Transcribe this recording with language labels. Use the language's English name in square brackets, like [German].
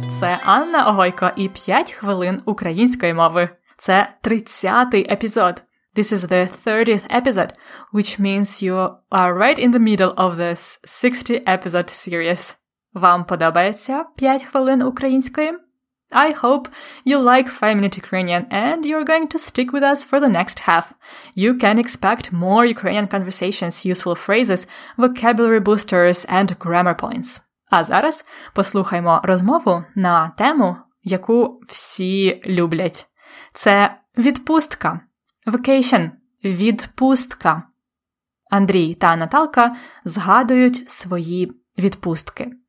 [Ukrainian] Це Анна Огойко і 5 хвилин української мови. Це 30-й епізод. [English] This is the 30th episode, which means you are right in the middle of this 60-episode series. [Ukrainian] Вам подобається 5 хвилин української? [English] I hope you like 5 Minute Ukrainian and you're going to stick with us for the next half. You can expect more Ukrainian conversations, useful phrases, vocabulary boosters and grammar points. [Ukrainian] А зараз послухаймо розмову на тему, яку всі люблять. Це відпустка. Vacation. Відпустка. Андрій та Наталка згадують свої відпустки.